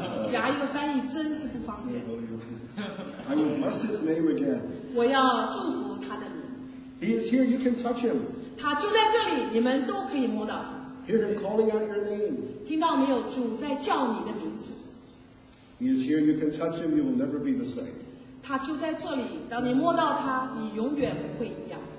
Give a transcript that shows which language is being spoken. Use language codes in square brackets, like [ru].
[zh] 夹一个翻译真是不方便。 [en] I will bless his name again. [zh] 我要祝福他的名。 [en] He is here, you can touch him. [zh] 他就在这里，你们都可以摸到。 [en] Hear him calling out your name. [zh] 听到没有，主在叫你的名字。 [en] He is here, you can touch him, you will never be the same. [zh] 他就在这里，当你摸到他，你永远不会一样。